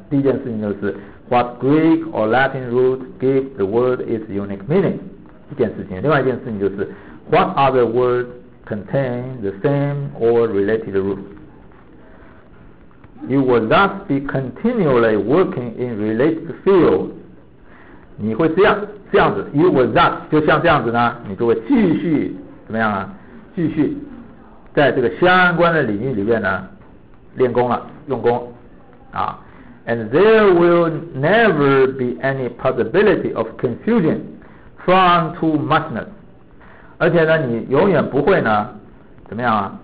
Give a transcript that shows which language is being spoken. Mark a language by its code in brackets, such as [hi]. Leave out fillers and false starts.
[zh] 第一件事情就是 [en] what Greek or Latin root give the word its unique meaning， [zh] 一件事情。另外一件事情就是 [en] what other words contain the same or related rootYou will thus be continually working in related fields. [zh] 你会这样子 ， [en] You will thus [zh] 就像这样子呢，你就会继续怎么样啊？继续在这个相关的领域里面呢练功了，用功啊。 [en] And there will never be any possibility of confusion from too muchness. [zh] 而且呢，你永远不会呢怎么样啊？